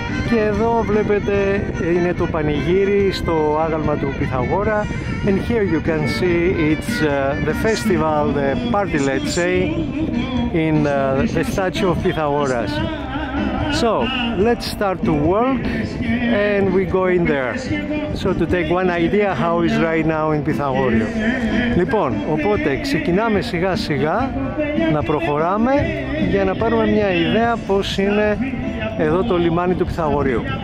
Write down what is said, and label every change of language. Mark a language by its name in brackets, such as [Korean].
[Greek] Και εδώ βλέπετε είναι το πανηγύρι στο άγαλμα του Πυθαγόρα. [English] And here you can see it's the festival, the party, let's say, in the statue of Pythagoras. So let's start to walk and we go in there. So to take one idea how is right now in Pythagorio. [Greek] Λοιπόν, οπότε ξεκινάμε σιγά σιγά να προχωράμε για να πάρουμε μια ιδέα πώς είναι εδώ το λιμάνι του Πυθαγορείου.